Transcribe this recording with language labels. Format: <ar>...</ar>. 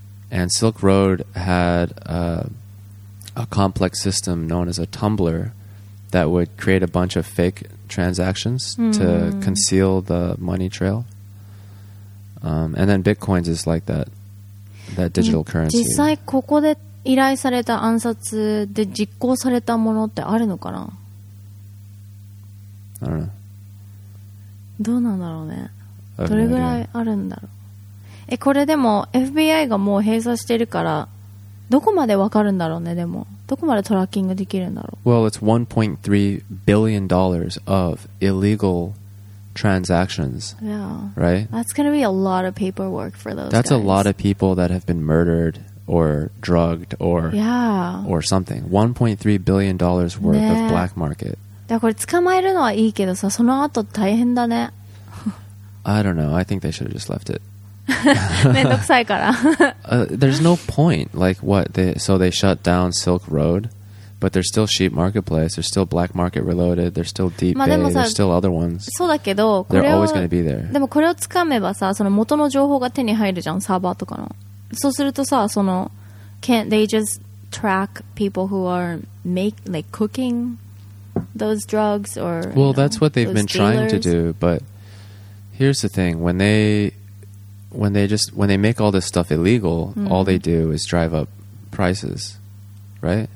<en>And Silk Road had a complex system known as a Tumblr that would create a bunch of fake transactions to conceal the money trail. And then bitcoins is like that digital currency.</en> <ja>実際ここで依頼された暗殺で実行されたものってあるのかな?</ja> <en>I don't know.</en> <ja>どうなんだろうね。どれぐらいあるんだろう。え、これでも FBI がもう閉鎖してるからどこまでわかるんだろうね。でもどこまでトラッキングできるんだろう。</ja> <en>Well, it's $1.3 billion dollars of illegal transactions. Yeah. Right? That's going to be a lot of paperwork for those That's A lot of people that have been murdered or drugged or Yeah. or something. $1.3 billion dollars worth、ね、of black market.</en> <ja>だからこれ捕まえるのはいいけどさ、その後大変だね。</ja> <en>I don't know. I think they should have just left it.</en> <ja>めんどくさいから。</ja> <en>There's no point. Like what? So they shut down Silk Road, but there's still sheep marketplace. There's still black market reloaded. There's still deep bay. There's still other ones.</en> <ja>そうだけど、</ja> <en>They're always going to be there.</en> <ja>でもこれを掴めばさ、その元の情報が手に入るじゃん、サーバーとかの。そうするとさ、その</ja> <en>can't they just track people who are make like cooking those drugs or? Well, that's what they've been trying to do, but. Here's the thing, when they make all this stuff illegal, all they do is drive up prices, right?</en>